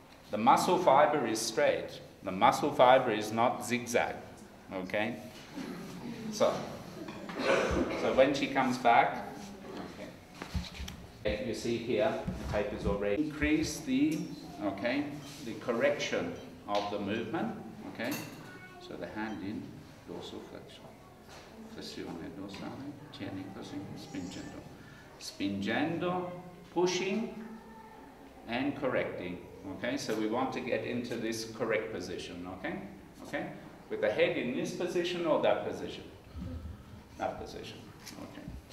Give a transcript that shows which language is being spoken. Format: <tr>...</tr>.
<en>The muscle fiber is straight. The muscle fiber is not zigzag, okay? So when she comes back, okay. You see here, the tape is already increased the correction of the movement, okay? So the hand in, dorsal flexion.</en> <it>Flexione dorsale, tieni così, spingendo. Spingendo.</it> <en>Pushing and correcting, okay? So we want to get into this correct position, okay? Okay? With the head in this position or that position? That position, okay.</en>